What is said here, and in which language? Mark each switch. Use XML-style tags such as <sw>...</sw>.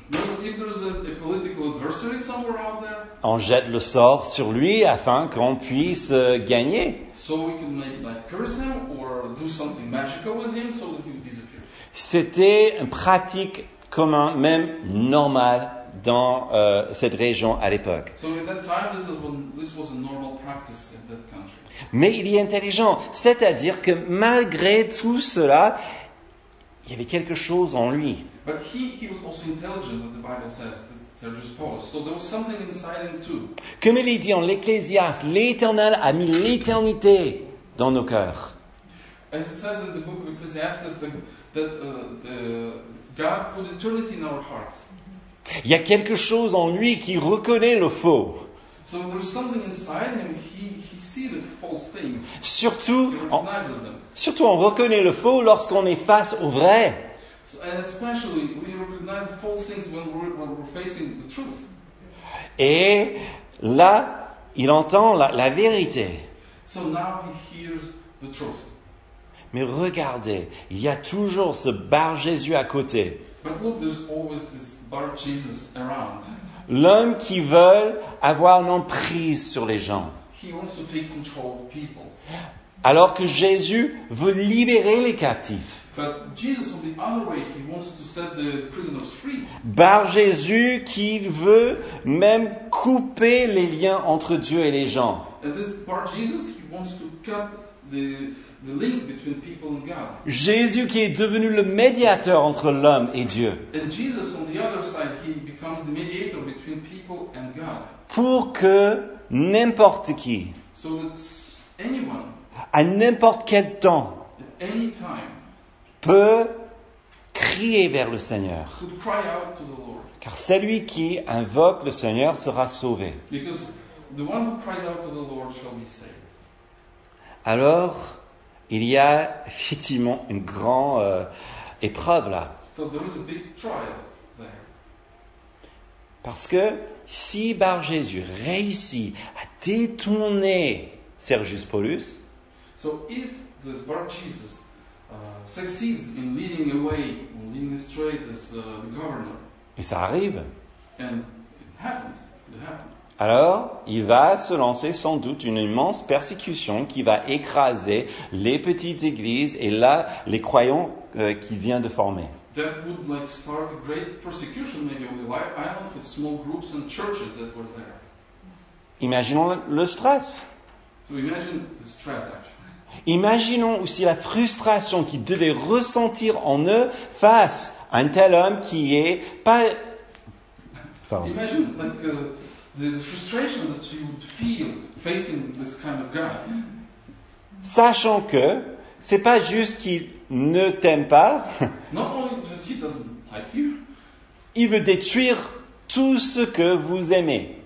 <en>Because if there's a political adversary somewhere out there.</en> <fr>On jette le sort sur lui afin qu'on puisse gagner.</fr> <en>So we can like curse him or do something magical with him so that he would disappear.</en> <fr>C'était une pratique commune, même normale, dans cette région à l'époque.</fr> <en>So at that time, this was a normal practice in that country.</en> <fr>Mais il est intelligent. C'est-à-dire que malgré tout cela, il y avait quelque chose en lui.</fr> <en>But he was also intelligent, what the Bible says. So there was something inside him too.</en> <fr>Comme il est dit en l'Ecclésiaste, l'Éternel a mis l'éternité dans nos cœurs.</fr> <en>As it says in the book of Ecclesiastes, that God put eternity in our hearts.</en> <fr>Il y a quelque chose en lui qui reconnaît le faux.</fr> <en>So there's something inside him. He sees the false things.</en> <fr>Surtout,</fr> <en>he recognizes them.</en> <fr>Surtout, on reconnaît le faux lorsqu'on est face au vrai.</fr> <en>And especially, we recognize false things when we're facing the truth.</en> <fr>Et là, il entend la vérité.</fr> <en>So now he hears the truth.</en> <fr>Mais regardez, il y a toujours ce Bar Jésus à côté.</fr> <en>But look, there's always this Bar Jesus around.</en> <fr>L'homme qui veut avoir une emprise sur les gens.</fr> <en>He wants to take control of people.</en> <fr>Alors que Jésus veut libérer les captifs.</fr> <en>But Jesus, on the other way, he wants to set the prisoners free.</en> <fr>Bar Jésus qui veut même couper les liens entre Dieu et les gens.</fr> <en>And this Bar Jesus, he wants to cut the link between people and God.</en> <fr>Jésus qui est devenu le médiateur entre l'homme et Dieu.</fr> <en>And Jesus, on the other side, he becomes the mediator between people and God.</en> <fr>Pour que n'importe qui,</fr> <en>so it's anyone,</en> <fr>à n'importe quel temps,</fr> <en>at any time,</en> <fr>peut crier vers le Seigneur.</fr> <en>Could cry out to the Lord.</en> <fr>Car celui qui invoque le Seigneur sera sauvé.</fr> <en>Because the one who cries out to the Lord shall be saved.</en> <fr>Alors, il y a effectivement une grande épreuve là.</fr> <en>So there is a big trial there.</en> <fr>Parce que si Bar Jésus réussit à détourner Sergius Paulus,</fr> <en>so if this Bar Jesus succeeds in leading away, in leading astray this the governor.</en> <fr>Et ça arrive.</fr> <en>And it happens. It happens.</en> <fr>Alors, il va se lancer sans doute une immense persécution qui va écraser les petites églises et là, les croyants qu'il vient de former.</fr> <en>That would like start a great persecution maybe on the island for small groups and churches that were there.</en> <fr>Imaginons le stress.</fr> <en>So imagine the stress actually.</en> <fr>Imaginons aussi la frustration qu'ils devaient ressentir en eux face à un tel homme qui est pas. Pardon.</fr> <en>Imagine like the frustration that you would feel facing this kind of guy.</en> <fr>Sachant que c'est pas juste qu'il ne t'aime pas.</fr> <en>Not only does he doesn't like you.</en> <fr>Il veut détruire tout ce que vous aimez.</fr>